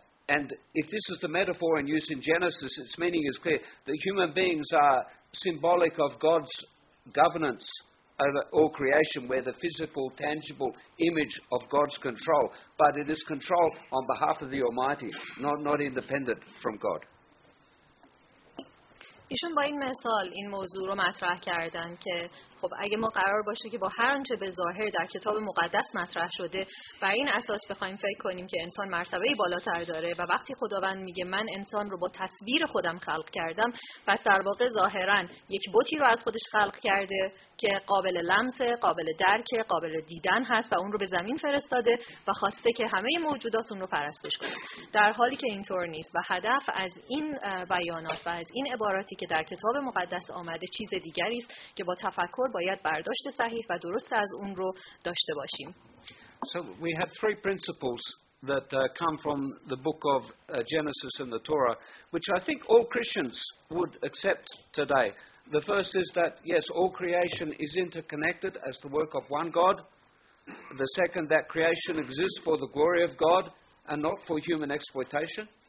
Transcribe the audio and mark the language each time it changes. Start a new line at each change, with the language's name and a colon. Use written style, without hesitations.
English: And if this is the metaphor in use in Genesis, its meaning is clear. The human beings are symbolic of God's governance over all creation, where the physical, tangible image of God's control, but it is control on behalf of the Almighty, not independent from God.
Persian: ایشون با این مثال این موضوع رو مطرح کردن که خب اگه ما قرار باشه که با هر آنچه به ظاهر در کتاب مقدس مطرح شده بر این اساس بخوایم فکر کنیم که انسان مرتبه‌ای بالاتر داره و وقتی خداوند میگه من انسان رو با تصویر خودم خلق کردم، پس در واقع ظاهراً یک بتی رو از خودش خلق کرده که قابل لمسه، قابل درکه، قابل دیدن هست و اون رو به زمین فرستاده و خواسته که همه موجودات اون رو پرستش کنه، در حالی که اینطور نیست و هدف از این بیانات و از این عباراتی که در کتاب مقدس آمده چیز دیگری است که با تفکر باید برداشت صحیح و درست از اون رو داشته باشیم.
English: So we have three principles that come from the book of Genesis and the Torah, which I think all Christians would accept today. The first is that, yes, all creation is interconnected as the work of one God. The second, that creation exists for the glory of God and not for human exploitation.